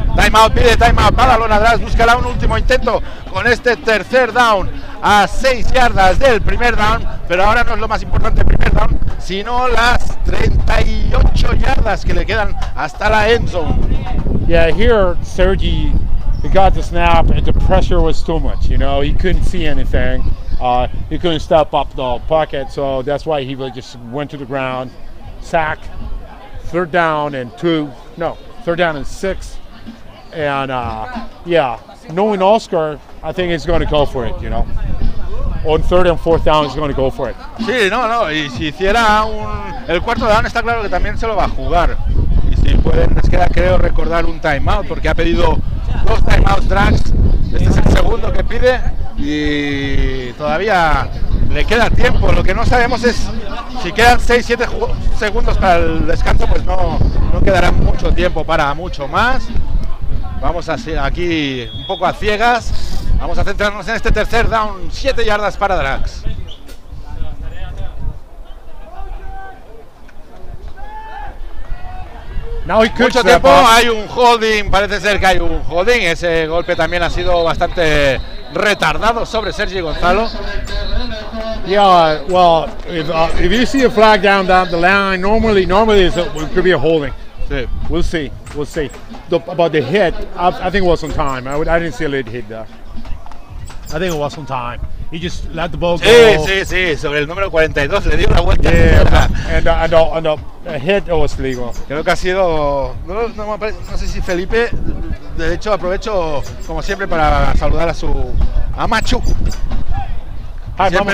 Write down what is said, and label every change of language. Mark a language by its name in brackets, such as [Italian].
[Spanish] Timeout. Pide timeout. Balón atrás. Búscala un último intento con este tercer down a 6 yardas del primer down. Pero ahora no es lo más importante el primer down, sino las 38 yardas que le quedan hasta la end zone. [English] Yeah, here Sergi. He got the snap and the pressure was too much, you know. He couldn't see anything. He couldn't step up the pocket, so that's why he just went to the ground. Sack, third down and 2. No, third down and 6. And knowing Oscar, I think he's going to go for it, you know. On third and fourth down, he's going to go for it. [Spanish] Sí, no. Y si hiciera el cuarto down, está claro que también se lo va a jugar. Y si pueden, les queda, creo, recordar un timeout porque ha pedido. Dos timeouts Drax, este es el segundo que pide y todavía le queda tiempo. Lo que no sabemos es si quedan 6-7 segundos para el descanso, pues no quedará mucho tiempo para mucho más. Vamos a ser aquí un poco a ciegas, vamos a centrarnos en este tercer down, 7 yardas para Drax. Mucho tiempo, hay un holding, parece ser que hay un holding. Ese golpe también ha sido bastante retardado sobre Sergi Gonzalo. [English] Yeah, well, if you see a flag down the line, normally it could be a holding. [Spanish] Sí. [English] We'll see. About the hit, I think it was on time. I didn't see a late hit there. I think it was on time. He just let the ball go. [Spanish] Sí, sobre el número 42 le dio la vuelta. [English] Yeah, and a hit was legal. [Spanish] Creo que ha sido, no sé si Felipe, de hecho aprovecho como siempre para saludar a su Machu. Siempre mama.